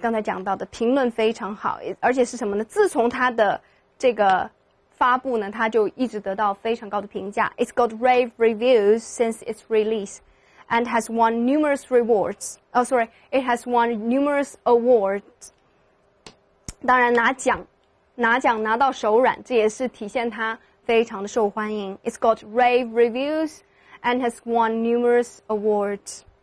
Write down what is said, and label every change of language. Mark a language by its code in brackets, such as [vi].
[zh] 刚才讲到的评论非常好，而且是什么呢？自从它的这个发布呢，它就一直得到非常高的评价。 [en] It's got rave reviews since its release, and has won numerous rewards. Oh, sorry, it has won numerous awards. [zh] 当然，拿奖拿到手软，这也是体现它非常的受欢迎。 [en] It's got rave reviews and has won numerous awards.